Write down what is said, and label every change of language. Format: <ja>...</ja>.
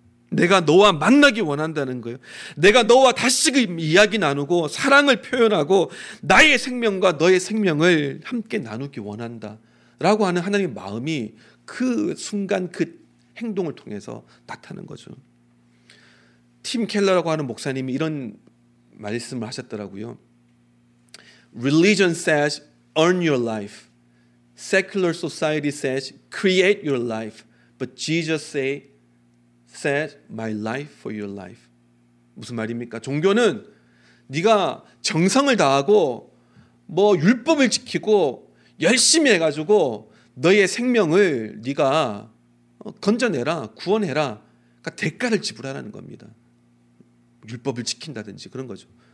<ko>내가 너와 만나기 원한다는 거예요. 내가 너와 다시금 이야기 나누고 사랑을 표현하고 나의 생명과 너의 생명을 함께 나누기 원한다 라고 하는 하나님의 마음이 그 순간 그 행동을 통해서 나타난 거죠. 팀 켈러라고 하는 목사님이 이런 말씀을 하셨더라고요.</ko> <en>Religion says earn your life. Secular society says create your life. But Jesus said my life for your life.</en> <ko>무슨 말입니까? 종교는 네가 정성을 다하고 뭐 율법을 지키고 열심히 해가지고 너의 생명을 네가 건져내라, 구원해라. 그러니까 대가를 지불하라는 겁니다. 율법을 지킨다든지 그런 거죠.</ko>